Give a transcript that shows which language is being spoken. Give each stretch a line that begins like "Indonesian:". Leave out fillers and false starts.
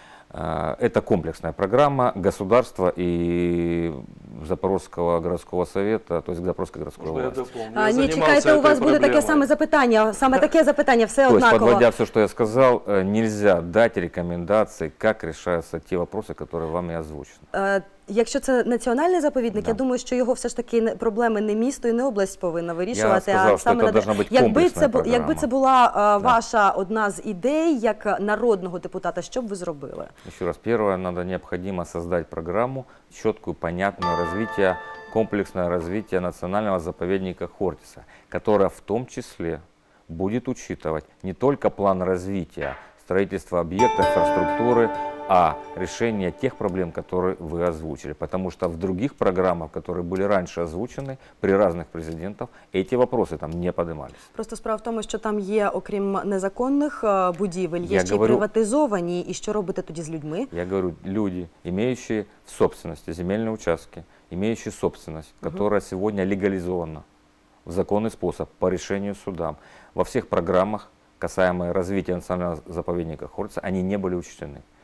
Russian: Это комплексная программа государства и Запорожского городского совета, то есть Запорожской городской власти.
Ukrainian: Чекайте,
Russian: у вас будет такое самое запитание, все то
Ukrainian: однаково.
Russian: То есть, подводя все, что я сказал, нельзя дать рекомендации, как решаются те вопросы, которые вам и озвучены.
Ukrainian: Якщо це національний заповідник, да. Я думаю, що його все ж таки проблеми не місто і не область повинна вирішувати. Я сказав, а саме надати, якби це була ваша одна з ідей як народного депутата, що б ви зробили? Ще раз, перше, треба необхідно створити програму чітку, понятну розвиття, комплексне розвиття національного заповідника Хортиса, яка в тому числі буде учитувати не тільки план розвиття, будівництва об'єктів, інфраструктури,
Russian: а решение тех проблем, которые вы озвучили. Потому что в других программах, которые были раньше озвучены, при разных президентах, эти вопросы там не поднимались. Просто справа в том, что там есть,
Ukrainian: окрім
Russian: незаконных
Ukrainian: будівель,
Russian: есть и приватизованные. И что делать тогда с людьми? Я говорю, люди, имеющие в собственности земельные участки, имеющие собственность, которая сегодня легализована в законный способ по решению судам, во всех программах, касаемые развития национального заповедника Хортиса, они не были учтены.